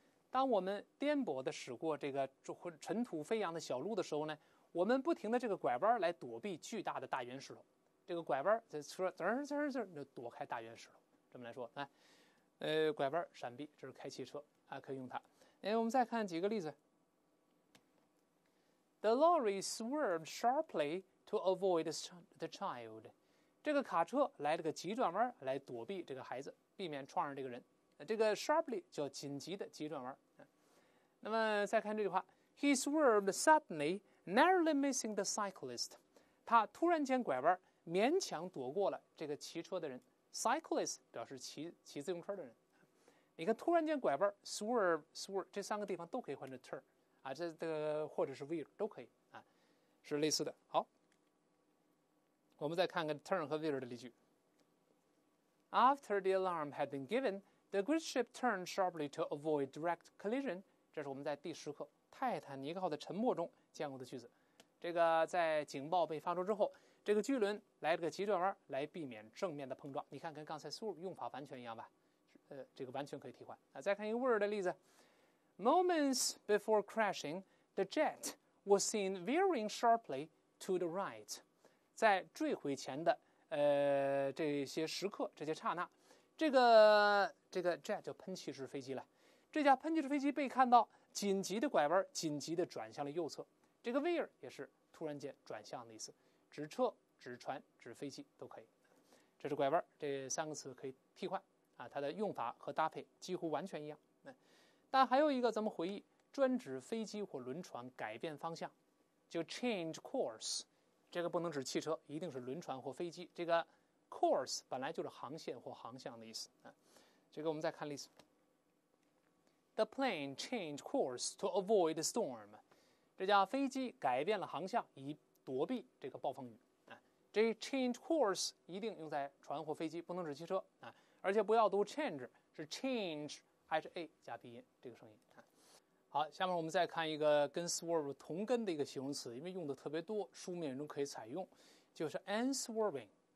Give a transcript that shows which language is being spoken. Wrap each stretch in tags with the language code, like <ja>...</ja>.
<zh>当我们颠簸的驶过这个尘土飞扬的小路的时候呢，我们不停的这个拐弯来躲避巨大的大圆石头。这个拐弯，这车滋滋滋就躲开大圆石头。这么来说，拐弯闪避，这是开汽车啊，可以用它。我们再看几个例子。</zh> <en>The lorry swerved sharply to avoid the child.</en> <zh>这个卡车来了个急转弯，来躲避这个孩子，避免撞上这个人。这个 sharply 叫紧急的急转弯。那么再看这句话 ，</zh> <en>He swerved suddenly, narrowly missing the cyclist.</en> <zh>他突然间拐弯，勉强躲过了这个骑车的人。 Cyclist 表示 骑自行车的人，你看突然间拐弯 swerve 这三个地方都可以换成 turn 啊，这个或者是 veer 都可以啊，是类似的。好，我们再看看 turn 和 veer 的例句。</zh> <en>After the alarm had been given, the great ship turned sharply to avoid direct collision.</en> <zh>这是我们在第十课泰坦尼克号的沉没中见过的句子。这个在警报被发出之后，这个巨轮来了个急转弯，来避免正面的碰撞。你看，跟刚才 swerve 用法完全一样吧？这个完全可以替换。再看一个 veer 的例子</zh> <en>Moments before crashing, the jet was seen veering sharply to the right.</en> <zh>在坠毁前的这些时刻，这些刹那，这个 jet 就喷气式飞机了。这架喷气式飞机被看到紧急的拐弯，紧急的转向了右侧。这个 veer 也是突然间转向的意思，指车、指船、指飞机都可以。这是拐弯，这三个词可以替换啊，它的用法和搭配几乎完全一样。但还有一个，咱们回忆，专指飞机或轮船改变方向，就 change course。这个不能指汽车，一定是轮船或飞机。这个 course 本来就是航线或航向的意思。这个我们再看例子。</zh> <en>The plane changed course to avoid the storm.</en> <zh>这架飞机改变了航向以躲避这个暴风雨。这 change course 一定用在船或飞机，不能指汽车。而且不要读 change, 是 change, H-A 加鼻音这个声音。好，下面我们再看一个跟 swerve 同根的一个形容词，因为用的特别多，书面中可以采用，就是 unswerving。</zh>